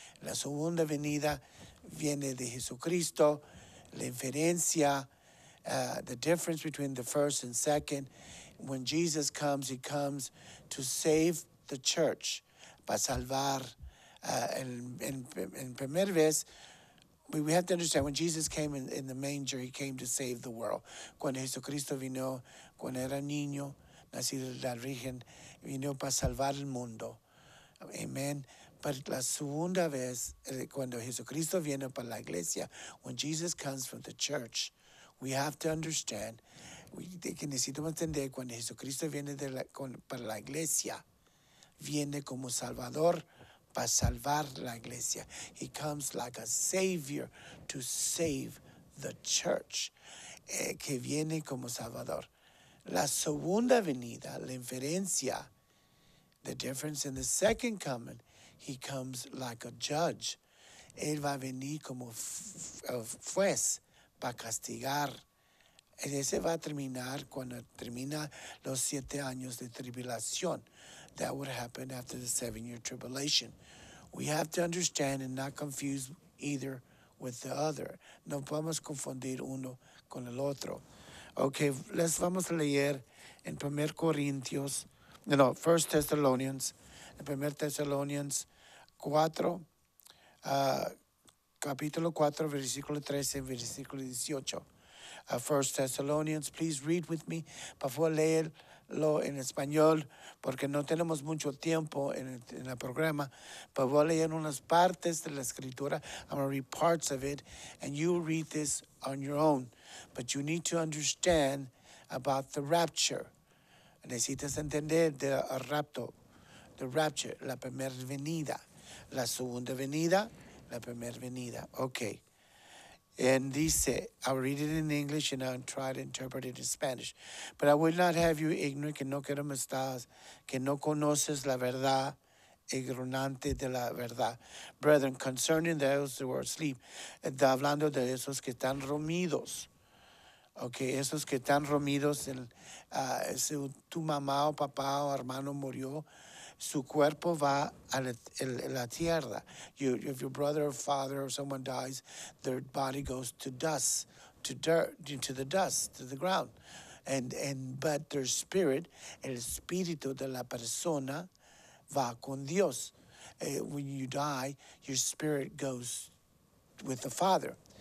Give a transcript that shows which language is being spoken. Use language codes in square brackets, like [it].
[es] La segunda venida viene de Jesucristo, la inferencia, [en] the difference between the first and second. When Jesus comes, he comes to save the church, [es] para salvar. En primera vez, [en] we have to understand, when Jesus came in the manger, he came to save the world. [es] Cuando Jesucristo vino, cuando era niño, nacido de la Virgen, vino para salvar el mundo. Amen. But la segunda vez, cuando Jesucristo viene para la iglesia, [en] when Jesus comes from the church, we have to understand, [es] que necesitamos entender, cuando Jesucristo viene para la iglesia, viene como salvador para salvar la iglesia. [en] He comes like a savior to save the church, [es] que viene como salvador. La segunda venida, la inferencia, [en] the difference in the second coming, he comes like a judge. [es] Él va a venir como juez para castigar. Ese va a terminar cuando termina los siete años de tribulación. [en] That would happen after the seven-year tribulation. We have to understand and not confuse either with the other. [es] No podemos confundir uno con el otro. Okay, les vamos a leer en 1 Thessalonians. En 1 Thessalonians 4, capítulo 4, versículo 13, versículo 18. [en] 1 Thessalonians, please read with me. [es] Por favor, léelo en español, porque no tenemos mucho tiempo en el programa. Por favor, leer unas partes de la escritura. [en] I'm going to read parts of it, and you read this on your own. But you need to understand about the rapture. [es] Necesitas entender del rapto, the rapture, la primera venida. La segunda venida, la primera venida. Okay. [en] And dice, I'll read it in English and I'll try to interpret it in Spanish. But I will not have you ignorant, [es] que no quiero que estás, que no conoces la verdad, ignorante de la verdad. [en] Brethren, concerning those who are asleep, [es] hablando de esos que están dormidos. Okay, esos que están dormidos, si tu mamá o papá o hermano murió, su cuerpo va a la tierra. [en] If your brother or father or someone dies, their body goes to dust, to dirt, into the dust, to the ground. But their spirit, [es] el espíritu de la persona, va con Dios. [en] When you die, your spirit goes with the Father.